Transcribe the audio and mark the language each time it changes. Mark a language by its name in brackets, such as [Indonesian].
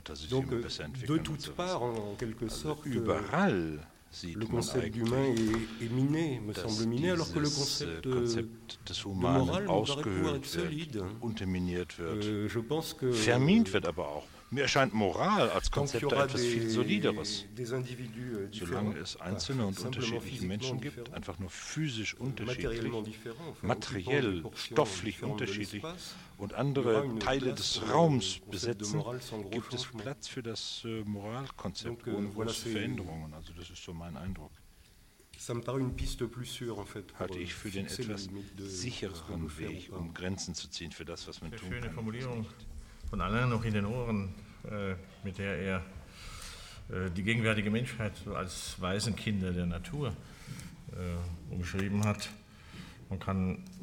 [French] Donc, de toutes parts, en quelque sorte, le concept humain est miné, me semble miné, alors que le concept de morale paraît pouvoir être solide. Je pense que [German] vermint wird aber auch. Mir erscheint Moral als Konzept etwas viel solideres. Solange es einzelne und unterschiedliche Menschen gibt, einfach nur physisch unterschiedlich, materiell, stofflich unterschiedlich und andere Teile des Raums besetzen, gibt es Platz für das Moralkonzept ohne große Veränderungen. Also das ist so mein Eindruck. [French] Ça me paraît une piste plus sûre, en fait, [German] halte ich für den etwas sichereren Weg, um Grenzen zu ziehen für das, was man tun kann. Von Alain noch in den Ohren, mit der er die gegenwärtige Menschheit als Waisenkinder der Natur umschrieben hat. Man kann